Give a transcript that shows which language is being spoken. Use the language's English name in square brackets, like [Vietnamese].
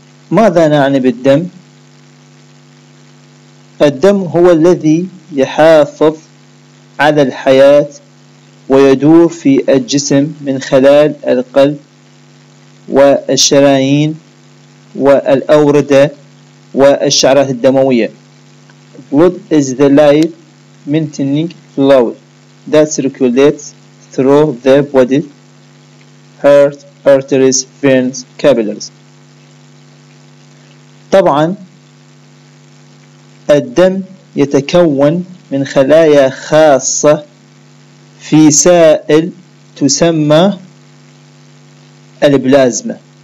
[Arabic] ماذا نعني بالدم؟ الدم هو الذي يحافظ على الحياة ويدور في الجسم من خلال القلب والشرايين والأوردة والشعرات الدموية. [English] Blood is the life-maintaining fluid that circulates through the body, heart, arteries, veins, capillaries. [Arabic] طبعا الدم يتكون من خلايا خاصة في سائل تسمى البلازما.